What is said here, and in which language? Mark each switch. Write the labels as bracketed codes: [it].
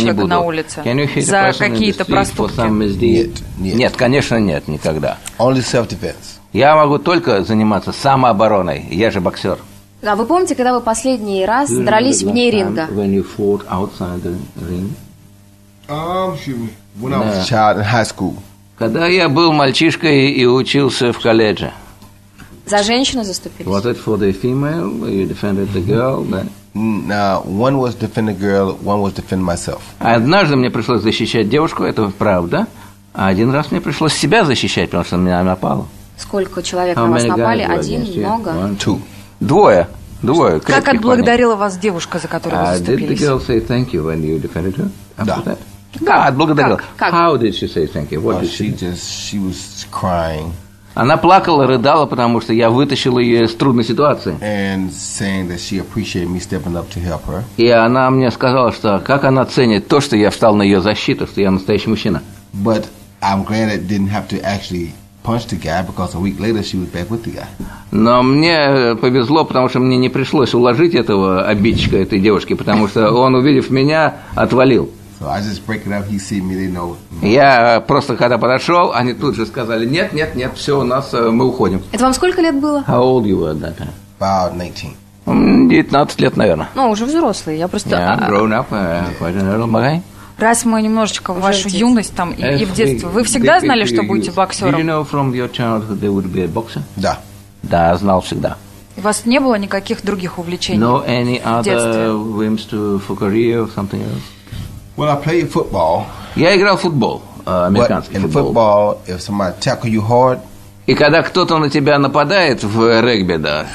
[ru] человека на улице за какие-то проступки? Нет, конечно, нет, никогда. [en] Only self-defense. [ru] Я могу только заниматься самообороной. Я же боксер. А вы помните, когда вы последний раз дрались вне ринга? [en] When you fought outside the ring? When I was a child in high school. [ru] Когда я был мальчишкой и учился в колледже. За женщину заступились? [en] Was it for the female? You defended the girl, then? One was defending a girl, one was defending myself. [ru] Однажды мне пришлось защищать девушку, это правда. А один раз мне пришлось себя защищать, потому что на меня напало. Сколько человек на вас напали? Один? Много? Двое. Как отблагодарила вас девушка, за которую вы заступились? [en] Did the girl say thank you when you defended her? [ru] Да, отблагодарила. Как? [en] How did she say thank you? She was crying. [ru] Она плакала, рыдала, потому что я вытащил ее из трудной ситуации. [en] And saying that she appreciated me stepping up to help her. [ru] И она мне сказала, что как она ценит то, что я встал на ее защиту, что я настоящий мужчина. [en] But I'm glad I didn't have to actually punch the guy, because a week later she was back with the guy. [ru] Но мне повезло, потому что мне не пришлось уложить этого обидчика, этой девушки, потому что он, увидев меня, отвалил. [en] So I just break it up, he see me, they know. [ru] Я просто когда подошел, они тут же сказали, нет, все, у нас, мы уходим. Это вам сколько лет было? [en] How old you were at that time? About 19. [ru] 19 лет, наверное. Ну, уже взрослый, я просто... [en] Yeah, grown up, quite an old guy. [ru] Раз мы немножечко вашу юность там и в детстве, вы всегда знали, что будете боксером? [en] Did you know from your childhood there would be a boxer? [ru] Да. Да, знал всегда. У вас не было никаких других увлечений в детстве? [en] No any other whims to for career or something else? Well, I played football. [ru] Я играл в футбол, американский [en] in [ru] футбол. [en] Football, if somebody tackle you hard, [ru] и когда кто-то на тебя нападает в регби, да,